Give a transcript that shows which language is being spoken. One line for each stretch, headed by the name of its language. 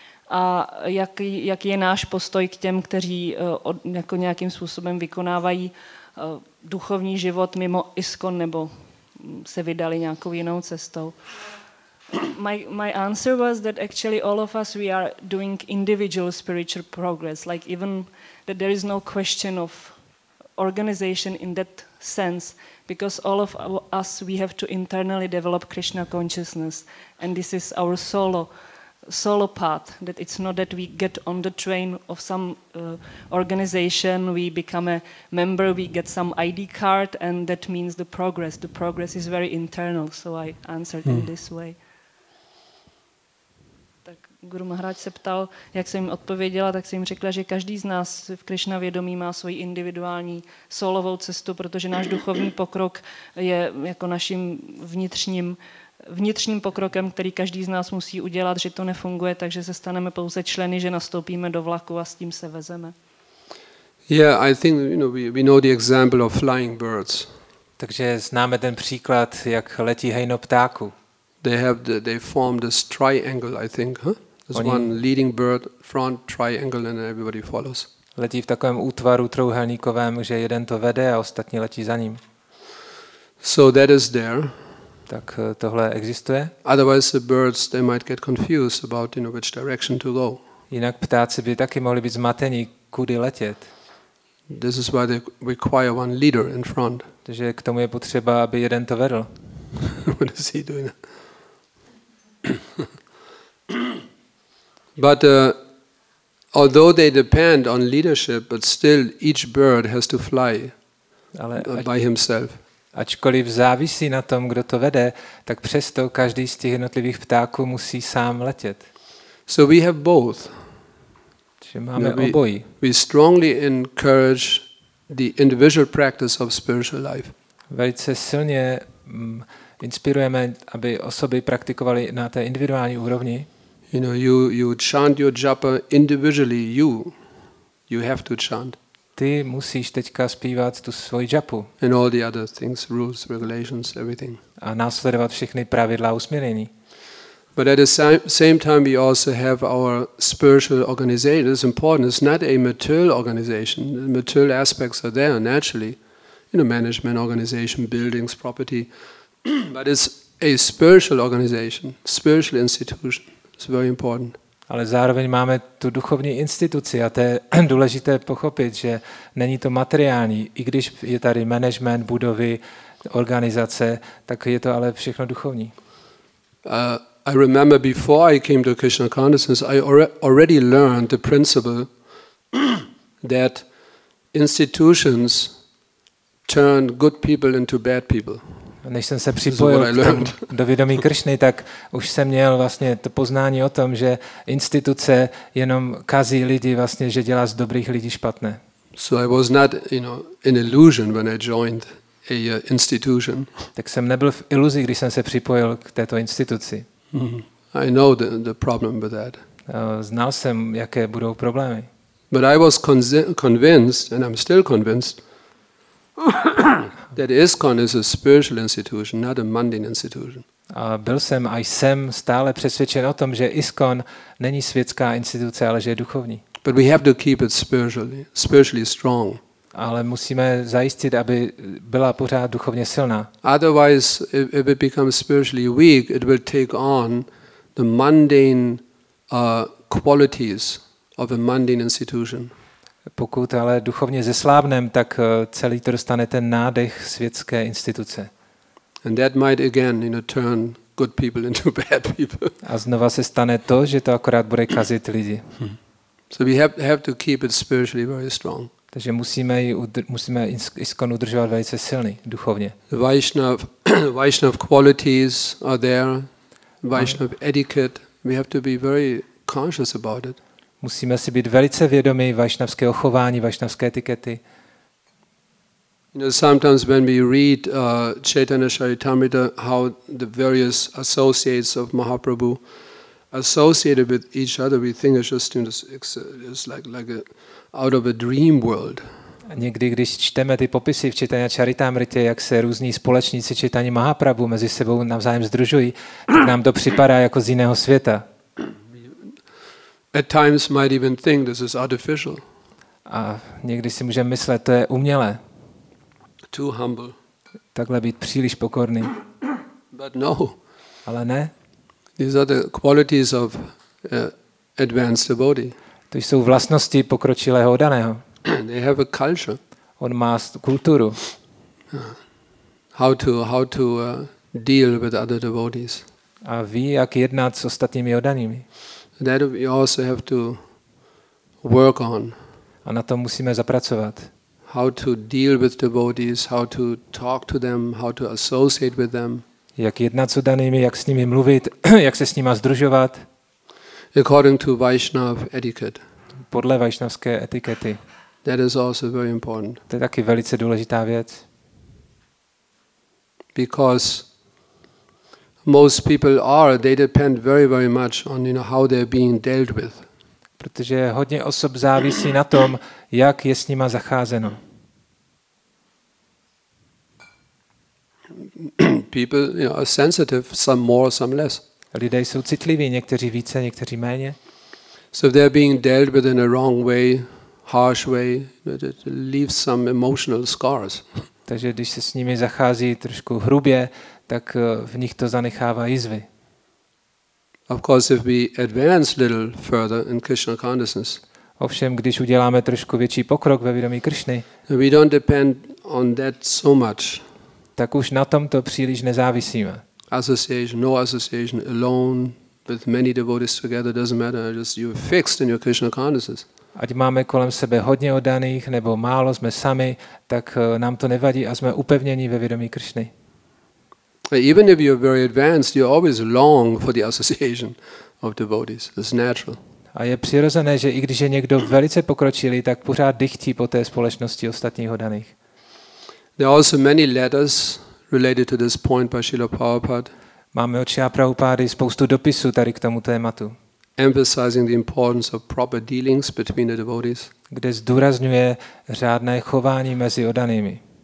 Czech: A jaký je náš postoj k těm, kteří jako nějakým způsobem vykonávají duchovní život mimo ISKCON nebo se vydali nějakou jinou cestou?
English: My answer was that actually all of us, we are doing individual spiritual progress, like even that there is no question of organization in that sense, because all of us, we have to internally develop Krishna consciousness, and this is our solo path, that it's not that we get on the train of some organization, we become a member, we get some ID card, and that means the progress. The progress is very internal, so I answered in this way.
Czech: Guru Maharaj se ptal, jak jsem jim odpověděla, tak jsem jim řekla, že každý z nás v Krishna vědomí má svoji individuální solovou cestu, protože náš duchovní pokrok je jako naším vnitřním pokrokem, který každý z nás musí udělat, že to nefunguje, takže se staneme pouze členy, že nastoupíme do vlaku a s tím se vezeme.
English: Yeah, I think you know we know the example of flying birds.
Czech: Takže známe ten příklad, jak letí hejno ptáku.
English: They form this triangle, I think, huh? There's one leading bird, front triangle, and everybody follows.
Czech: Letí v takovém útvaru trojúhelníkovém, že jeden to vede a ostatní letí za ním.
English: So that is there.
Czech: Tak tohle existuje.
English: Otherwise the birds, they might get confused about, you know, which direction to go.
Czech: Jinak ptáci by taky mohli být zmatení, kudy letět.
English: This is why they require one leader in front.
Czech: Takže k tomu je potřeba, aby jeden to vedl.
English: What is he doing? But although they depend on leadership, but still each bird has to fly by himself.
Czech: Ačkoliv závisí na tom, kdo to vede, tak přesto každý z těch jednotlivých ptáků musí sám letět.
English: So we have both.
Czech: Že máme obojí.
English: We strongly encourage the individual practice of spiritual life.
Czech: Velice silně inspirujeme, aby osoby praktikovaly na té individuální úrovni.
English: You know, you chant your japa individually, you have to chant.
Czech: Ty musíš teďka zpívat tu svoji japu.
English: And all the other things, rules, regulations, everything.
Czech: A následovat všechny pravidla usměrnění.
English: But at the same time we also have our spiritual organization. It's important, it's not a material organization. The material aspects are there naturally. You know, management organization, buildings, property. But it's a spiritual organization, spiritual institution. It's very important.
Czech: Ale zároveň máme tu duchovní instituci a to je důležité pochopit, že není to materiální, i když je tady management, budovy, organizace, tak je to ale všechno duchovní.
English: I remember before I came to Krishna consciousness, I already learned the principle that institutions turn good people into bad people.
Czech: Než jsem se připojil do vědomí Krišny, tak už jsem měl vlastně to poznání o tom, že instituce jenom kazí lidi, vlastně, že dělá z dobrých lidí špatné.
English: So I was not, you know, in illusion when I joined a institution.
Czech: Tak jsem nebyl v iluzi, když jsem se připojil k této instituci.
English: I know the problem with that.
Czech: Znal jsem, jaké budou problémy.
English: But I was convinced, and I'm still convinced, that ISKCON is a spiritual institution, not a mundane institution.
Czech: A byl jsem a jsem stále přesvědčen o tom, že ISKCON není světská instituce, ale že je duchovní.
English: But we have to keep it spiritually strong.
Czech: Ale musíme zajistit, aby byla pořád duchovně silná.
English: Otherwise, if it becomes spiritually weak, it will take on the mundane qualities of a mundane institution.
Czech: Pokud ale duchovně zeslábnem, tak celý to dostane ten nádech světské instituce.
English: And that might again, you know, turn good people into bad people.
Czech: A znova se stane to, že to akorát bude kazit lidi.
English: So we have to keep it spiritually very strong.
Czech: Takže musíme ISKCON udržovat velice silný duchovně.
English: Vaishnav qualities are there. Vaishnav etiquette. We have to be very conscious about it.
Czech: Musíme si být velice vědomi vaishnavského chování, vaishnavské etikety.
English: You know, sometimes when we read Chaitanya Charitamrita, how the various associates of Mahaprabhu associated with each other, we think it's like out of a dream world.
Czech: A někdy, když čteme ty popisy v Chaitanya Charitamrite, jak se různí společníci Chaitanya Mahaprabhu mezi sebou navzájem združují, tak nám to připadá jako z jiného světa.
English: At times might even think this is artificial.
Czech: A někdy si můžeme myslet, to je umělé.
English: Too humble.
Czech: Takhle být příliš pokorný.
English: But no.
Czech: Ale ne.
English: These are the qualities of advanced devotee.
Czech: To jsou vlastnosti pokročilého daného.
English: They have a culture.
Czech: On má kulturu.
English: How to deal with other devotees.
Czech: A ví, jak jednat s ostatními odanými.
English: That we also have to work on.
Czech: A na to musíme zapracovat.
English: How to deal with devotees, how to talk to them, how to associate with them.
Czech: Jak jednat s danými, jak s nimi mluvit, jak se s nimi združovat.
English: According to Vaishnav etiquette.
Czech: Podle vaishnavské etikety.
English: That is also very important.
Czech: To je taky velice důležitá věc.
English: Because most people are, they depend very, very much on, you know, how they're being dealt with.
Czech: Protože hodně osob závisí na tom, jak je s nima zacházeno.
English: People, you know, are sensitive, some more, some less.
Czech: Lidé jsou citliví, někteří více, někteří méně.
English: So if they're being dealt with in a wrong way, harsh way, it leaves some emotional scars.
Czech: Takže když se s nimi zachází trošku hrubě, tak v nich to zanechává jizvy.
English: Of course, if we advance little further in Krishna consciousness.
Czech: Ovšem, když uděláme trošku větší pokrok ve vědomí Krišny,
English: we don't depend on that so much.
Czech: Tak už na tomto příliš nezávisíme.
English: Association, no association, alone with many devotees together doesn't matter. Just you're fixed in your Krishna consciousness.
Czech: Ať máme kolem sebe hodně oddaných nebo málo, jsme sami, tak nám to nevadí a jsme upevněni ve vědomí Krišny.
English: Even if you're very advanced, you always long for the association of devotees. It's natural.
Czech: A je přirozené, že i když je někdo velice pokročilý, tak pořád dychtí po té společnosti ostatních odaných.
English: There are also many letters related to this point by Srila Prabhupada.
Czech: Máme od Srila Prabhupády spoustu dopisů tady k tomu tématu.
English: Emphasizing the importance of proper dealings between the devotees.
Czech: Kde zdůrazňuje řádné chování mezi odanými.